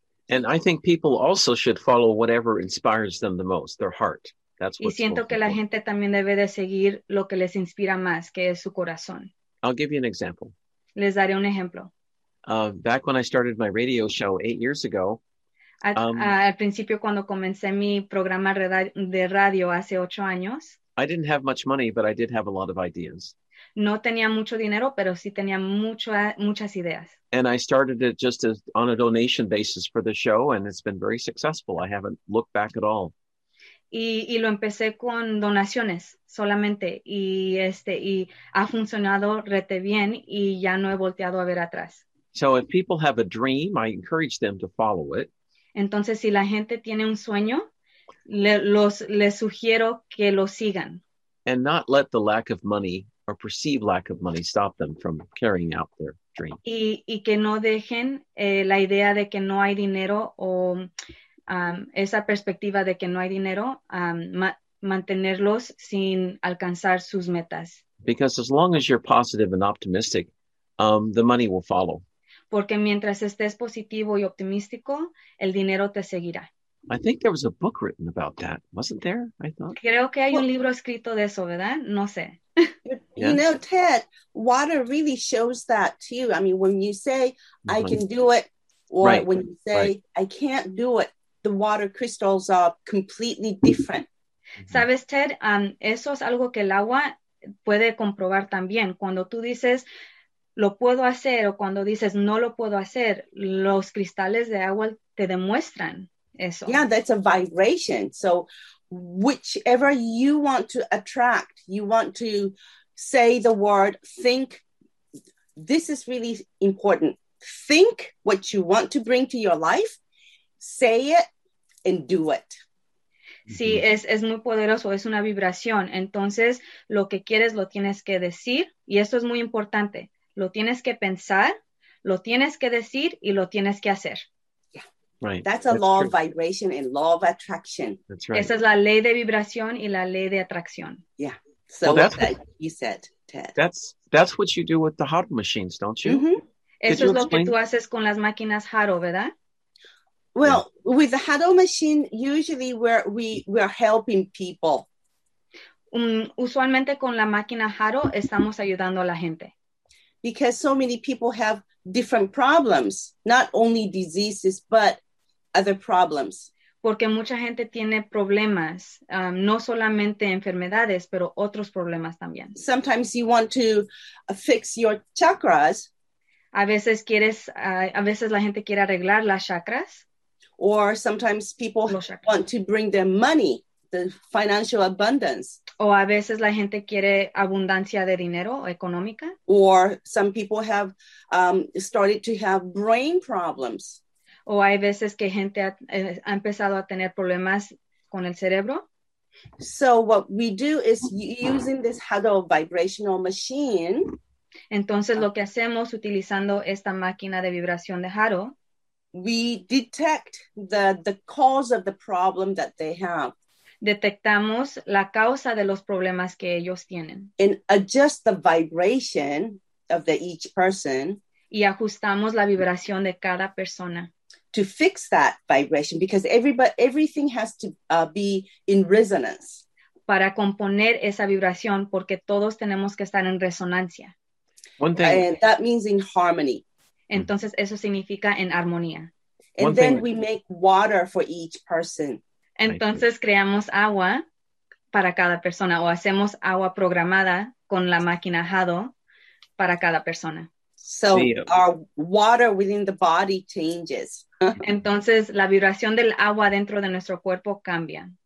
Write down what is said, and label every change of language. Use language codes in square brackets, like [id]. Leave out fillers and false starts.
[en] And I think people also should follow whatever inspires them the most, their heart. That's what's [es] y siento que la [en] important. [es] Gente también debe de seguir lo que les inspira más, que es su corazón. [en] I'll give you an example. [es] Les daré un ejemplo. [en] Back when I started my radio show 8 years ago. [es] Al principio, cuando comencé mi programa de radio hace 8 años. [en] I didn't have much money, but I did have a lot of ideas. [es] No tenía mucho dinero, pero sí tenía muchas ideas. [en] And I started it just as on a donation basis for the show, and it's been very successful. I haven't looked back at all. [es] Y lo empecé con donaciones solamente, y ha funcionado rete bien, y ya no he volteado a ver atrás. [en] So if people have a dream, I encourage them to follow it. [es] Entonces, si la gente tiene un sueño, les sugiero que lo sigan. [en] And not let the lack of money or perceived lack of money stop them from carrying out their dream. [es] Y que no dejen la idea de que no hay dinero o esa perspectiva de que no hay dinero, mantenerlos sin alcanzar sus metas. [en] Because as long as you're positive and optimistic, the money will follow. [es] Porque mientras estés positivo y optimístico, el dinero te seguirá. [en] I think there was a book written about that, wasn't there? I thought. [es] Creo que hay un libro escrito de eso, ¿verdad? No sé. [en] Yes. You know, Ted, water really shows that too. I mean, when you say, I can do it, or right. when you say, right. I can't do it, the water crystals are completely different. [es] ¿Sabes, Ted? Eso es algo que el agua puede comprobar también. Cuando tú dices, lo puedo hacer, o cuando dices, no lo puedo hacer, los cristales de agua te demuestran eso. [en] Yeah, that's a vibration. So whichever you want to attract, you want to say the word, think, this is really important. Think what you want to bring to your life, say it, and do it. [es] Sí, es muy poderoso, es una vibración. Entonces, lo que quieres lo tienes que decir, y esto es muy importante. Lo tienes que pensar, lo tienes que decir, y lo tienes que hacer. [en] Yeah. Right. That's a That's law true. Of vibration and law of attraction. That's right. [es] Esa es la ley de vibración y la ley de atracción. [en] Yeah. So well, that's what you said, Ted. That's what you do with the Haro machines, don't you? Mm-hmm. [es] Eso es lo que tú haces con las máquinas Haro, ¿verdad? [en] Well, yeah. With the Haro machine, usually we're helping people. [es] Usualmente con la máquina Haro estamos ayudando a la gente. [en] Because so many people have different problems, not only diseases, but other problems. [es] Porque mucha gente tiene problemas, no solamente enfermedades, pero otros problemas también. [en] Sometimes you want to fix your chakras. [es] A veces la gente quiere arreglar las chakras. [en] Or sometimes people want to bring their money, the financial abundance. [es] O a veces la gente quiere abundancia de dinero económica. [en] Or some people have started to have brain problems. [es] O hay veces que gente ha empezado a tener problemas con el cerebro. [en] So what we do is using this Hado vibrational machine. [es] Entonces lo que hacemos utilizando esta máquina de vibración de Hado. [en] We detect the cause of the problem that they have. [es] Detectamos la causa de los problemas que ellos tienen. [en] And adjust the vibration of each person. [es] Y ajustamos la vibración de cada persona. [en] To fix that vibration, because everything has to be in resonance. [es] Para componer esa vibración, porque todos tenemos que estar en resonancia. [en] One thing. And that means in harmony. [es] Entonces, eso significa en armonía. [en] And then we make water for each person. [es] Entonces, creamos agua para cada persona, o hacemos agua programada con la máquina Hado para cada persona. [en] So our water within the body changes. [es] Entonces, la vibración del agua dentro de nuestro cuerpo cambia.